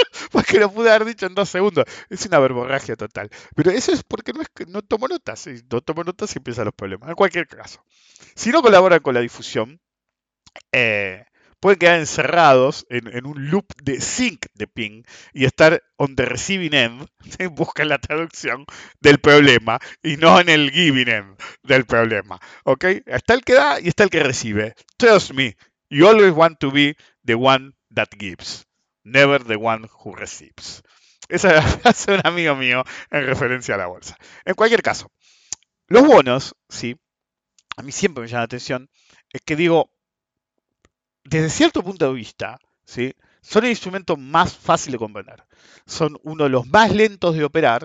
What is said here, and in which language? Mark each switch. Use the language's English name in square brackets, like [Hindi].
[Spanish] Porque lo pude haber dicho en 2 segundos. Es una verborragia total. Pero eso es porque no tomo notas. No tomo notas y empiezan los problemas. En cualquier caso, si no colaboran con la difusión, Pueden quedar encerrados en un loop de sync de ping y estar [English] on the receiving end, [Spanish] en busca de la traducción del problema y no en el [English] giving end [Spanish] del problema. ¿Okay? Está el que da y está el que recibe. [English] Trust me, you always want to be the one that gives, never the one who receives. [Spanish] Esa es la frase de un amigo mío en referencia a la bolsa. En cualquier caso, los bonos, sí, a mí siempre me llama la atención, es que digo, desde cierto punto de vista, ¿sí? Son el instrumento más fácil de comprender. Son uno de los más lentos de operar.